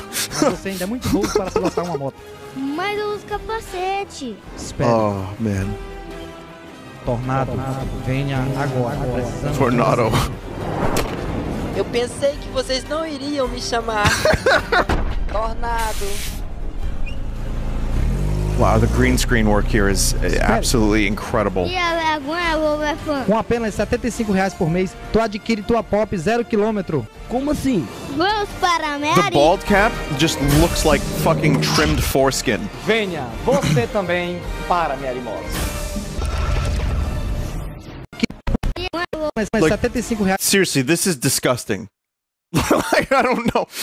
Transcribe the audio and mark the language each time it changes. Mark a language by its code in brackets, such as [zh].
[pt] Você ainda é muito novo para pilotar uma moto. Mas eu uso capacete. Espera. [en] Oh, man. [pt] Tornado, venha agora. Tornado. Eu pensei que vocês não iriam me chamar. Tornado. [en] Wow, the green screen work here is absolutely incredible. [pt] Com apenas R$75 por mês, tu adquire tua Pop 0 quilômetro. Como assim? Vamos para a [en] The bald cap just looks like fucking trimmed foreskin. [pt] Venha, você também para a Mary Moss. [en] Like, seriously, this is disgusting. Like, I don't know.